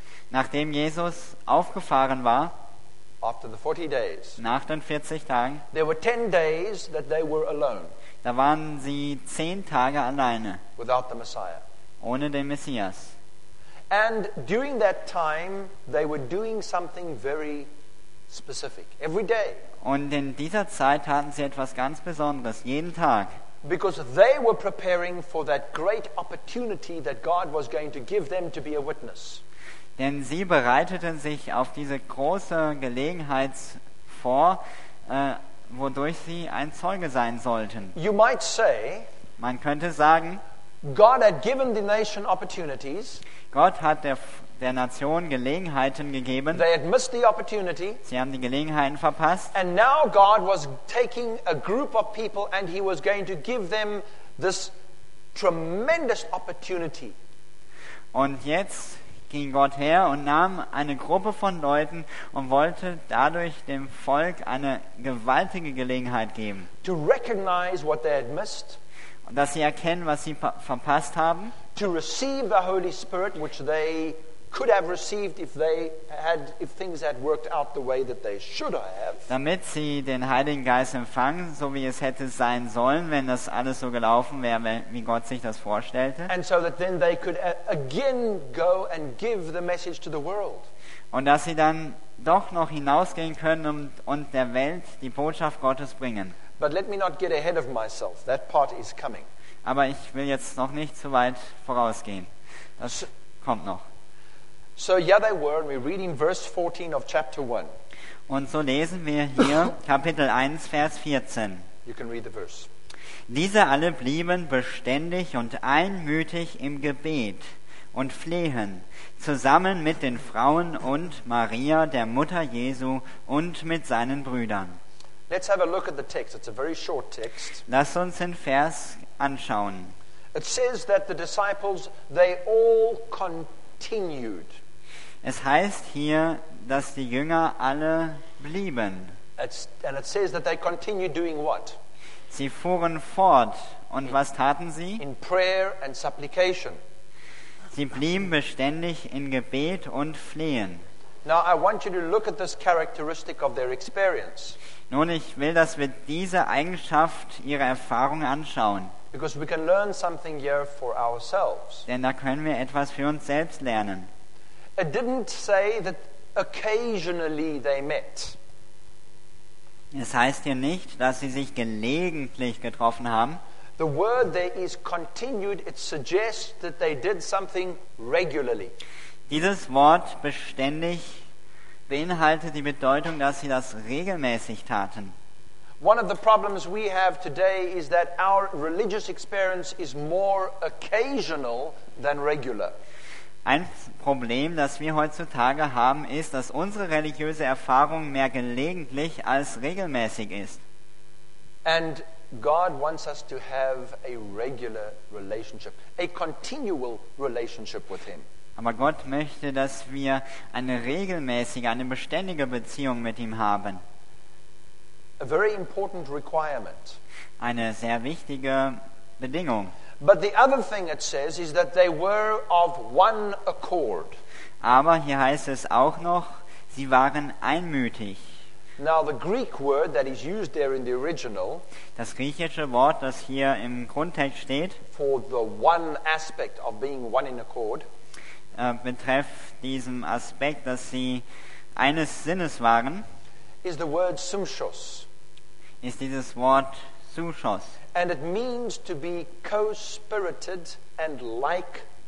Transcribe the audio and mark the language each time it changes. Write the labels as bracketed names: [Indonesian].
[German] nachdem Jesus aufgefahren war, [English] after the 40 days, [German] nach den 40 Tagen, [English] there were 10 days that they were alone, [German] da waren sie 10 Tage alleine, [English] without the Messiah, [German] ohne den Messias. [English] And during that time, they were doing something very specific, every day. [German] Und in dieser Zeit hatten sie etwas ganz Besonderes, jeden Tag. [English] Because they were preparing for that great opportunity that God was going to give them to be a witness. [German] Denn sie bereiteten sich auf diese große Gelegenheit vor, wodurch sie ein Zeuge sein sollten. [English] You might say, [German] man könnte sagen, [English] God had given the nation opportunities. [German] Gott hat der Nation Gelegenheiten gegeben. [English] They had missed the opportunity. [German] Sie haben die Gelegenheiten verpasst. [English] And now God was taking a group of people and he was going to give them this tremendous opportunity. [German] Und jetzt ging Gott her und nahm eine Gruppe von Leuten und wollte dadurch dem Volk eine gewaltige Gelegenheit geben. [English] To recognize what they had missed. [German] Dass sie erkennen, was sie verpasst haben. [English] To receive the Holy Spirit, which they could have received if they had, if things had worked out the way that they should have. [German] Damit sie den Heiligen Geist empfangen, so wie es hätte sein sollen, wenn das alles so gelaufen wäre, wie Gott sich das vorstellte. [English] And so that then they could again go and give the message to the world. [German] Und dass sie dann doch noch hinausgehen können und der Welt die Botschaft Gottes bringen. [English] But let me not get ahead of myself. That part is coming. [German] Aber ich will jetzt noch nicht zu weit vorausgehen. Das kommt noch. [English] So yeah, they were, and we read in verse 14 of chapter 1. [German] Und so lesen wir hier Kapitel 1, Vers 14. [English] You can read the verse. [German] Diese alle blieben beständig und einmütig im Gebet und Flehen, zusammen mit den Frauen und Maria, der Mutter Jesu, und mit seinen Brüdern. [English] Let's have a look at the text. It's a very short text. [German] Lass uns den Vers anschauen. [English] It says that the disciples, they all continued. [German] Es heißt hier, dass die Jünger alle blieben. [English] And it says that they continued doing what? [German] Sie fuhren fort. Und was taten sie? [English] In prayer and supplication. [German] Sie blieben beständig in Gebet und Flehen. [English] Now I want you to look at this characteristic of their experience. [German] Nun, ich will, dass wir diese Eigenschaft ihrer Erfahrung anschauen. [English] Because we can learn something here for ourselves. [German] Denn da können wir etwas für uns selbst lernen. [English] It didn't say that occasionally they met. [German] Es heißt hier nicht, dass sie sich gelegentlich getroffen haben. [English] The word there is continued. It suggests that they did something regularly. [German] Dieses Wort beständig beinhaltet die Bedeutung, dass sie das regelmäßig taten. [English] One of the problems we have today is that our religious experience is more occasional than regular. [German] Ein Problem, das wir heutzutage haben, ist, dass unsere religiöse Erfahrung mehr gelegentlich als regelmäßig ist. [English] And God wants us to have a regular relationship, a continual relationship with him. [German] Aber Gott möchte, dass wir eine regelmäßige, eine beständige Beziehung mit ihm haben. [English] A very important requirement. [German] Eine sehr wichtige Bedingung. [English] But the other thing it says is that they were of one accord. [German] Aber hier heißt es auch noch, sie waren einmütig. [English] Now the Greek word that is used there in the original, [German] das griechische Wort, das hier im Grundtext steht, [English] for the one aspect of being one in accord, [German] betrifft diesen Aspekt, dass sie eines Sinnes waren, [English] is the word sumschos. [German] Ist dieses Wort sumschos. [English] And it means to be co-spirited and like-minded.